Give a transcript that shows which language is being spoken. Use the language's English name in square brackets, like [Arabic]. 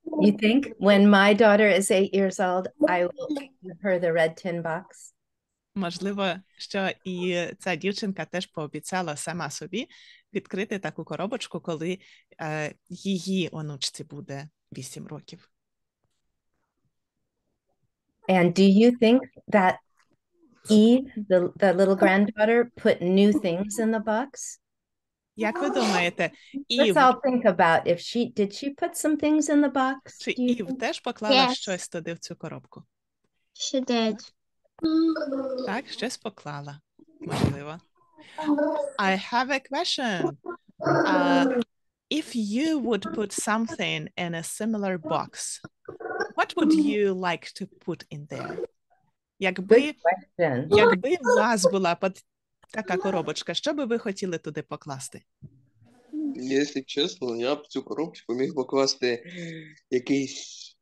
[English] You think when my daughter is 8 years old, I will give her the red tin box? [Ukrainian] Можливо, що і ця дівчинка теж пообіцяла сама собі відкрити таку коробочку, коли її онучці буде 8 років. [English] And do you think that Eve, the little granddaughter, put new things in the box? [Ukrainian] Як ви думаєте, Ів... [English] Let's all think about if she, did she put some things in the box? [Ukrainian] Чи Ів теж поклала щось туди в цю коробку? [English] She did. [Ukrainian] Так, щось поклала, можливо. [English] I have a question. If you would put something in a similar box, what would you like to put in there? [Ukrainian] Якби у вас була така коробочка, що би ви хотіли туди покласти? Якщо чесно, я б цю коробочку міг покласти якийсь...